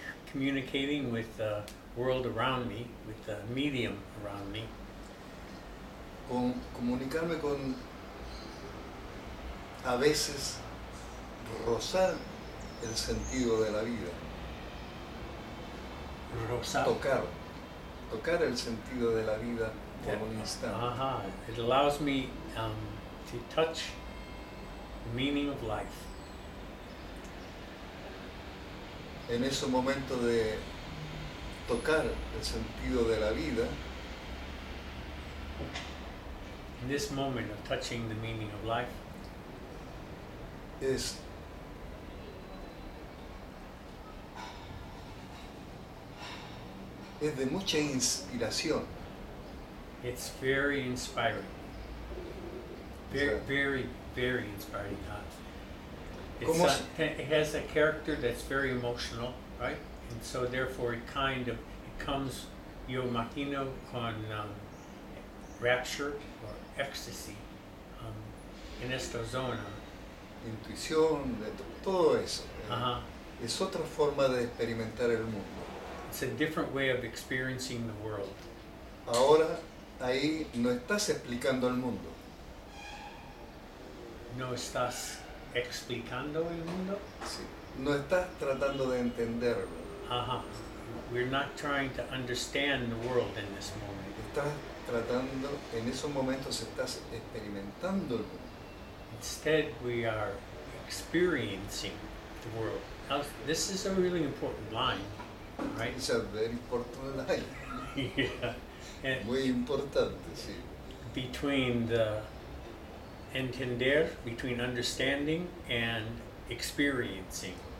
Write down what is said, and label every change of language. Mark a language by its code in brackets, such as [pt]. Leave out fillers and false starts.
[en] Communicating with the world around me, with the medium around me. [es] Con comunicarme con, a veces, rozar el sentido de la vida. Rozar. Tocar el sentido de la vida por un instante. Ajá. [en] It allows me to touch the meaning of life. [es] En ese momento de tocar el sentido de la vida, [en] in this moment of touching the meaning of life, [es] is es de mucha inspiración. [en] It's very inspiring. Very inspiring. It has a character that's very emotional, right? And so therefore it comes, [es] yo imagino, [en] con rapture or ecstasy [es] en esta zona. Intuición, todo eso. Es otra forma de experimentar el mundo. [en] It's a different way of experiencing the world. [es] Ahora, ahí no estás explicando el mundo. No estás explicando el mundo? Sí. No estás tratando de entenderlo. [en] We're not trying to understand the world in this moment. [es] Estás tratando, en esos momentos estás experimentando el mundo. [en] Instead, we are experiencing the world. Now, this is a really important line, right? It's a very important line. Yeah. [es] And muy importante, sí. [en] Between the entender, between understanding and experiencing.